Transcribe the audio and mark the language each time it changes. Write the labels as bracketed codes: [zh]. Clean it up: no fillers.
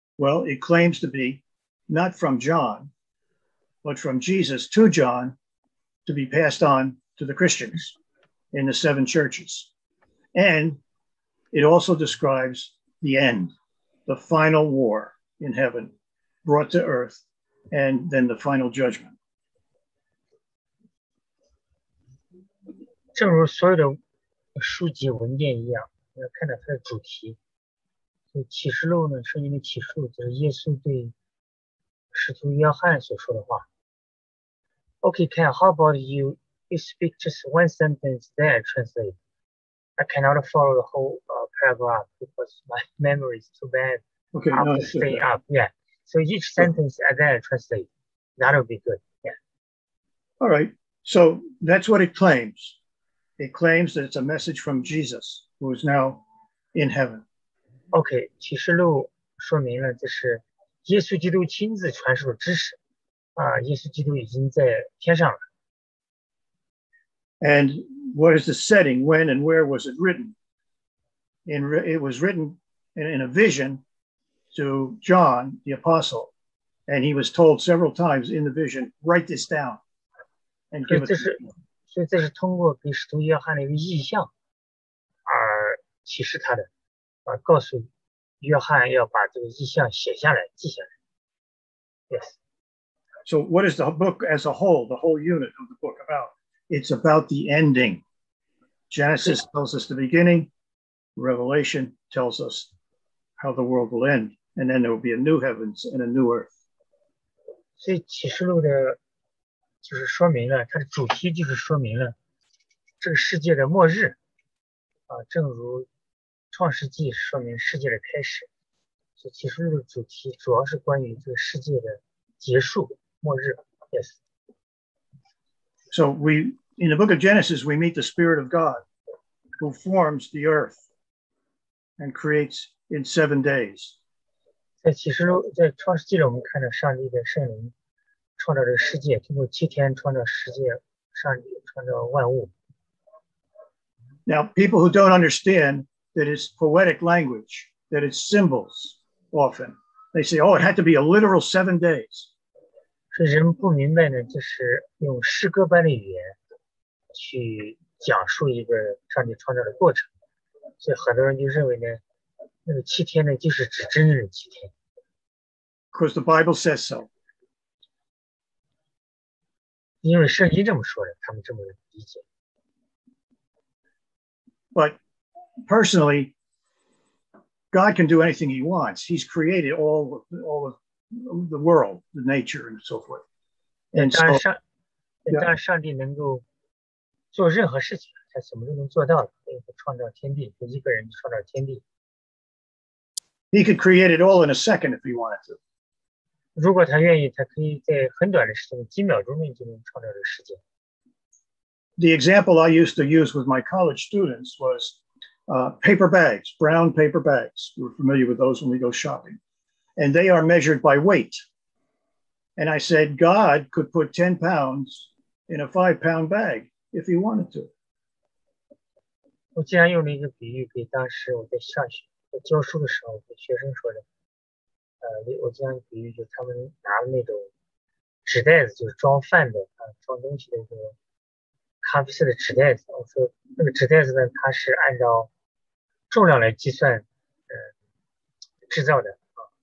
[en] Well, it claims to be not from John, but from Jesus to John to be passed on to the Christians in the seven churches. And it also describes the end, the final war in heaven brought to earth, and then the final judgment. [zh] 正如所有的书籍文件一样，要看到它的主题。所以启示录呢，圣经的启示录就是耶稣对使徒约翰所说的话。 [en] Okay, Ken, how about you? You speak just one sentence, then I translate. I cannot follow the whole paragraph because my memory is too bad. Okay, I have to stay up. Yeah. So each sentence, and then I translate. That would be good. Yeah. All right. So that's what it claims. It claims that it's a message from Jesus, who is now in heaven. [zh] Okay, 启示录说明了这是耶稣基督亲自传授的知识。耶稣基督已经在天上了。 [en] And what is the setting? When and where was it written? It was written in a vision to John, the apostle. And he was told several times in the vision, write this down and give it to him. [zh] 所以这是通过给使徒约翰的一个意象而启示他的，告诉约翰要把这个意象写下来，记下来。 [en] Yes. So what is the book as a whole, the whole unit of the book about? It's about the ending. Genesis tells us the beginning. Revelation tells us how the world will end. And then there will be a new heavens and a new earth. [zh] 所以启示录的就是说明了它的主题，就是说明了这个世界的末日，正如创世纪说明世界的开始，所以启示录的主题主要是关于这个世界的结束，末日。 [en] Yes. So we in the book of Genesis we meet the Spirit of God, who forms the earth and creates in 7 days. [zh] 在启示录，在创世纪里，我们看到上帝的圣灵。创造这个世界，经过七天创造世界，上帝创造万物。 [en] Now, people who don't understand that it's poetic language, that it's symbols, often they say, "Oh, it had to be a literal 7 days." [zh] 所以人们不明白呢，就是用诗歌般的语言去讲述一个上帝创造的过程，所以很多人就认为呢，那个七天呢，就是指真正的七天。 [en] Because the Bible says so. [zh] 因为圣经这么说的，他们这么理解。 [en] But personally, God can do anything He wants. He's created all of the world, the nature, and so forth. And [zh] 当然上帝能够做任何事情，他什么都能做到了。因为他创造天地，他一个人创造天地。 [en] He could create it all in a second if He wanted to. [zh] 如果他愿意，他可以在很短的时间，几秒钟内就能创造这个世界。 [en] The example I used to use with my college students was paper bags, brown paper bags. We're familiar with those when we go shopping. And they are measured by weight. And I said, God could put 10 pounds in a 5-pound bag if he wanted to. [zh] 我竟然用了一个比喻给当时我在下学，在教书的时候给学生说的。我这样比喻，就他们拿了那种纸袋子，就是装饭的装东西的那个咖啡色的纸袋子。我说那个纸袋子呢，它是按照重量来计算，制造的啊。